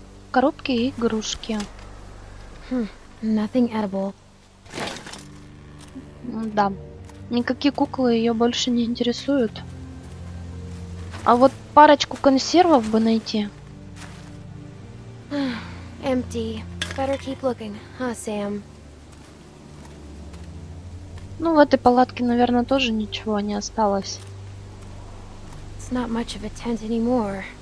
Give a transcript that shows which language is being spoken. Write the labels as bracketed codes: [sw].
[ru] Коробки и игрушки. [en] Nothing edible. [ru] Да. Никакие куклы ее больше не интересуют. А вот парочку консервов бы найти. [en] Empty. Better keep looking, huh, Sam? [ru] Ну, в этой палатке, наверное, тоже ничего не осталось. [en] It's not much of a tent anymore.